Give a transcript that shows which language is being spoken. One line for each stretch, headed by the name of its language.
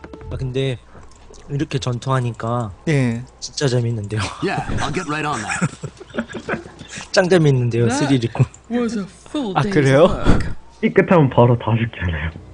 Korean: 아 근데 이렇게 전투하니까 예 진짜 재밌는데요.
English: Yeah, I'll get right on that.
Korean: 짱 재밌는데요. 3리콘. 아 그래요? 이 끝하면 바로 다 죽잖아요.